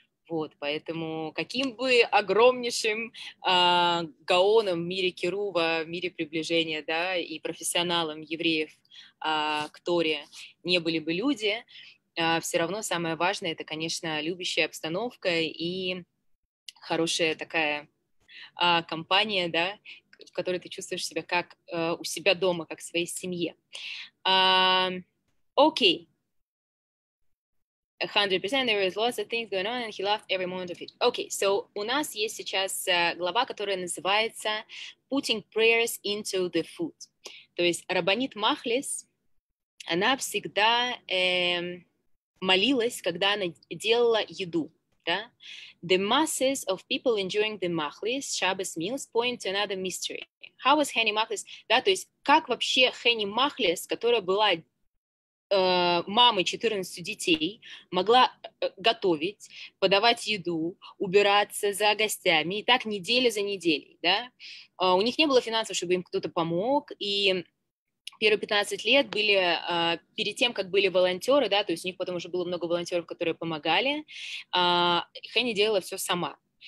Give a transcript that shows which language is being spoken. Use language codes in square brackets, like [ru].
[ru] Вот, поэтому каким бы огромнейшим гаоном в мире кирува, в мире приближения, да, и профессионалом евреев к Торе не были бы люди, все равно самое важное – это, конечно, любящая обстановка и хорошая такая компания, да, в которой ты чувствуешь себя как у себя дома, как в своей семье. Окей. [en] 100%, there was lots of things going on, and he loved every moment of it. Okay, so [ru] у нас есть сейчас глава, которая называется [en] Putting Prayers into the Food. [ru] То есть Рабанит Махлес, она всегда молилась, когда она делала еду. Да? [en] The masses of people enjoying the Machlis, Shabbos meals, point to another mystery. How was Хенни Махлес? [ru] Да, то есть как вообще Хенни Махлес, которая была мамы 14 детей, могла готовить, подавать еду, убираться за гостями, и так неделя за неделей, да. У них не было финансов, чтобы им кто-то помог, и первые 15 лет были, перед тем, как были волонтеры, да, то есть у них потом уже было много волонтеров, которые помогали, Хенни делала все сама.